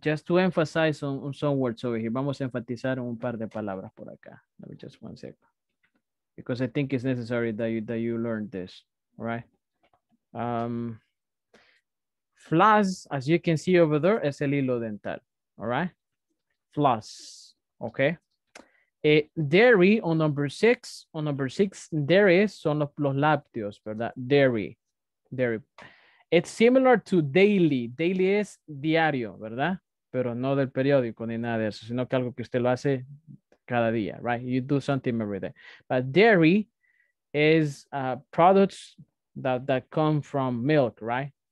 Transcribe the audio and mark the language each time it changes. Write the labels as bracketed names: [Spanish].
[English] Just to emphasize on some words over here, [Spanish] vamos a enfatizar un par de palabras por acá. [English] Let me just 1 second, because I think it's necessary that you learn this, all right? Floss, as you can see over there, [Spanish] es el hilo dental, [English] all right? Floss, okay? Dairy, on number six, dairy [Spanish] son los lácteos, ¿verdad? [English] Dairy. It's similar to daily. Daily [Spanish] es diario, ¿verdad? Pero no del periódico ni nada de eso, sino que algo que usted lo hace cada día, right? [English] You do something every day. But dairy is products that come from milk, right?